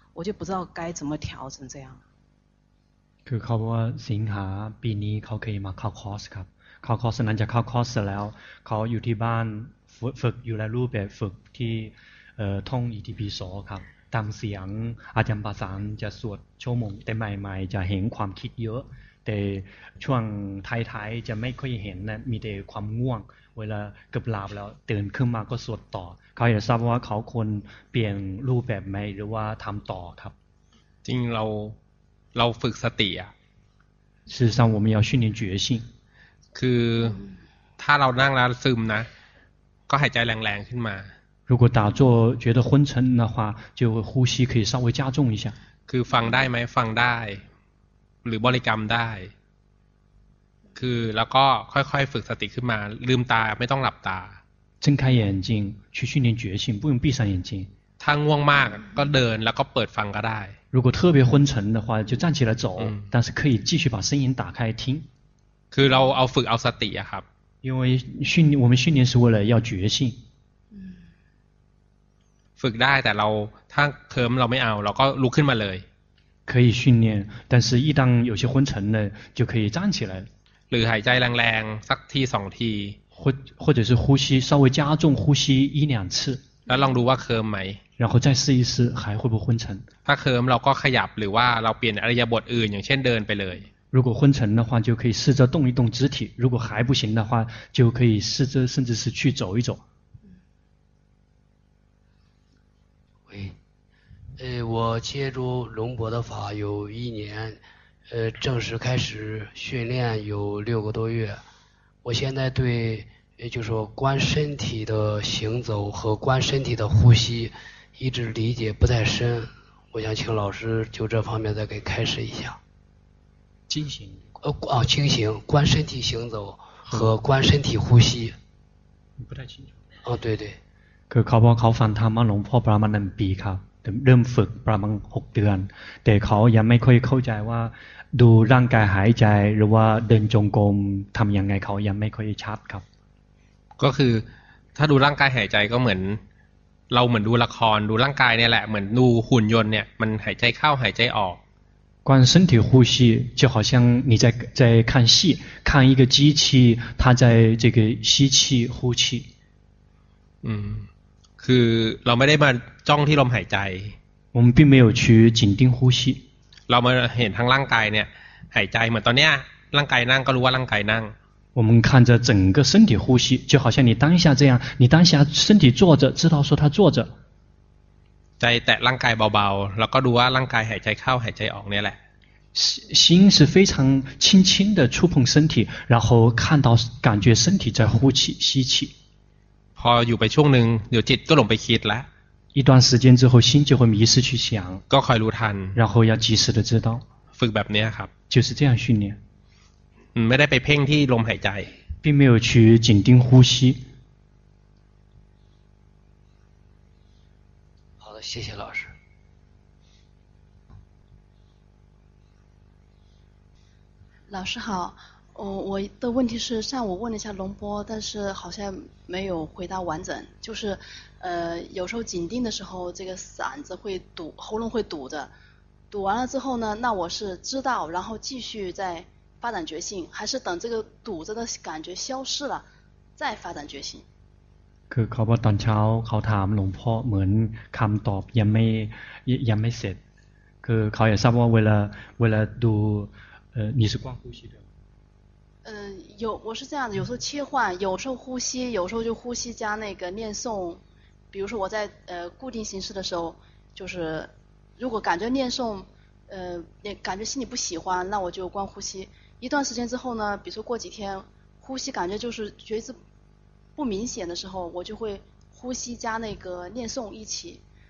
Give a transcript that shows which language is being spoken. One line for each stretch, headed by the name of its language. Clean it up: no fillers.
Chinese: 我就不知道该怎么调整这样。
Thai: คือเขาบอกว่าสิงหาปีนี้เขาเคยมาเข้าคอร์สครับเข้าคอร์สนั้นจะเข้าคอร์สแล้วเขาอยู่ที่บ้านฝึกอยู่ในรูปแบบฝึกที่ท่องอีทีพีสอครับตามเสียงอาจารย์ปาสานจะสวดชั่วโมงแต่ใหม่ๆจะเห็นความคิดเยอะแต่ช่วงท้ายๆจะไม่ค่อยเห็นนะมีแต่ความง่วงเวลาเกือบหลับแล้วตื่นขึ้นมาก็สวดต่อเขาอยากทราบว่าเขาควรเปลี่ยนรูปแบบไหมหรือว่าทำต่อครับ จริงเราฝึกสติอ่ะ
Chinese: 事实上我们要训练觉性
Thai: คือถ้าเรานั่งแล้วซึมนะก็หายใจแรงๆขึ้นมา
Chinese: 如果打坐觉得昏沉的话就呼吸可以稍微加重一下
Thai: คือฟังได้ไหมฟังได้หรือบริกรรมได้คือแล้วก็ค่อยๆฝึกสติขึ้นมาลืมตาไม่ต้องหลับตา
Chinese: 睁开眼睛去训练觉性不用闭上眼睛
Thai: ถ้าง่วงมากก็เดินแล้วก็เปิดฟังก็ได้
Chinese: 如果特别昏沉的话就站起来走但是可以继续把声音打开听
Thai: คือเราเอาฝึกเอาสติอะครับ
Chinese: 因为训练我们训练是为了要觉性
Thai: ฝึกได้แต่เราถ้าเคิร์มเราไม่เอาเราก็ลุกขึ้นมาเลย
Chinese: 可以训练但是一旦有些昏沉的就可以站起来
Thai: หรือหายใจแรงๆสักทีสองที
Chinese: 或者是呼吸稍微加重呼吸一两次
Thai: แล้วลองดูว่าเคิร์มไหม
Chinese: 然后再试一试还会不会昏沉
Thai: ถ้าเคิร์มเราก็ขยับหรือว่าเราเปลี่ยนอิริยาบถอื่นอย่างเช่นเดินไปเลย
Chinese: 如果昏沉的话就可以试着动一动肢体如果还不行的话就可以试着甚至是去走一走喂我接触龙婆的法有一年正式开始训练有六个多月我现在对也就是说观身体的行走和观身体的呼吸一直理解不太深我想请老师就这方面再给开示一下清醒清醒观身体行走和观身体呼吸你不太清楚对对
Thai: คือเขาบอกเขาฟังธรรมหลวงพ่อประมาณ1ปีครับเริ่มฝึกประมาณ6เดือนแต่เขายังไม่ค่อยเข้าใจว่าดูร่างกายหายใจหรือว่าเดินจงกรมทำยังไงเขายังไม่ค่อยชัดครับ ก็คือถ้าดูร่างกายหายใจก็เหมือนเราเหมือนดูละครดูร่างกายเนี่ยแหละเหมือนดูหุ่นยนต์เนี่ยมันหายใจเข้าหายใจออก
Chinese: 观身体呼吸就好像你在看戏看一个机器它在这个吸气呼气
Thai: คือเราไม่ได้มาจ้องที่ลมหายใจ
Chinese: 我们并没有去紧盯呼吸
Thai: เรามาเห็นทั้งร่างกายเนี่ยหายใจเหมือนตอนเนี้ยร่างกายนั่งก็รู้ว่าร่างกายนั่ง
Chinese: 我们看着整个身体呼吸就好像你当下这样你当下身体坐着知道说他坐着
Thai: ใจแตะร่างกายเบาๆแล้วก็ดูว่าร่างกายหายใจเข้าหายใจออกเนี่ยแหละ
Chinese: 心是非常轻轻的触碰身体然后看到感觉身体在呼气吸气
Thai: พออยู่ไปช่วงนึงเดี๋ยวจิตก็ลงไปคิดแล้ว
Chinese: 一段时间之后心就会迷失去想
Thai: ก็คอยรู้ทัน
Chinese: 然后要及时的知道
Thai: ฝึกแบบนี้ครับ
Chinese: 就是这样训练
Thai: ไม่ได้ไปเพ่งที่ลมหายใจ
Chinese: 并没有去紧盯呼吸好的谢谢老师老师好我的问题是上午问了一下龙波但是好像没有回答完整就是有时候紧盯的时候这个嗓子会堵喉咙会堵的堵完了之后呢那我是知道然后继续再发展觉性还是等这个堵着的感觉消失了再发展觉性
Thai: คือเขาบอกตอนเช้าเขาถามหลวงพ่อเหมือนคำตอบยังไม่เสร็จคือเขาอยากทราบว่าเวลาดู
Chinese: 你是光呼吸的有我是这样的有时候切换有时候呼吸有时候就呼吸加那个念诵比如说我在固定形式的时候就是如果感觉念诵也感觉心里不喜欢那我就关呼吸一段时间之后呢比如说过几天呼吸感觉就是觉知不明显的时候我就会呼吸加那个念诵一起